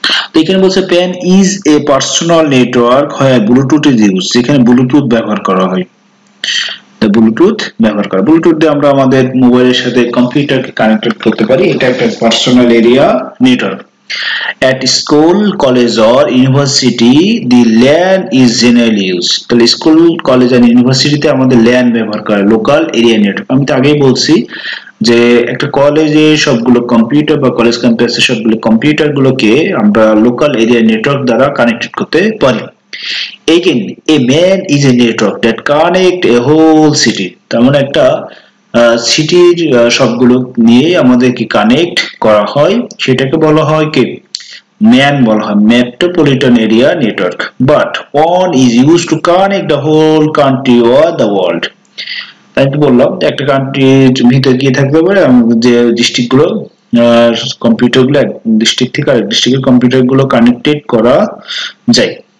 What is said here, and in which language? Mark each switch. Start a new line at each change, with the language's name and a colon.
Bangla: তো এখানে বলছে
English: PAN is a personal network হয় Bluetooth use,
Bangla: যেখানে ব্লুটুথ ব্যবহার করা হয়। তো ব্লুটুথ ব্যবহার করা, ব্লুটুথ দিয়ে আমরা আমাদের মোবাইলের সাথে কম্পিউটারকে কানেক্টেড করতে পারি, এটা একটা personal area network.
English: At school, college or university, the LAN is generally used.
Bangla: তাহলে স্কুল, কলেজ আর ইউনিভার্সিটিতে আমাদের LAN ব্যবহার করে, লোকাল এরিয়া নেটওয়ার্ক। আমি তো আগেই বলছি যে একটা কলেজে সবগুলো কম্পিউটার বা কলেজ ক্যাম্পাসে সবগুলো কম্পিউটার গুলোকে আমরা লোকাল এরিয়া নেটওয়ার্ক দ্বারা কানেক্টেড করতে পারি।
English: Again, a MAN is a network that connect a whole city.
Bangla: তার মানে একটা সিটির সবগুলো নিয়ে আমাদেরকে কানেক্ট করা হয় সেটাকে বলা হয় কি ম্যান বলা হয়, metropolitan area network.
English: But one is use to connect the whole country or the world.
Bangla: তাই তো বললাম একটা কান্ট্রির ভিতরে গিয়ে থাকতে পারে যে ডিস্ট্রিক্ট গুলো কম্পিউটার গুলো এক ডিস্ট্রিক্ট থেকে আরেক ডিস্ট্রিক্টের কম্পিউটার গুলো কানেক্টেড করা যায়।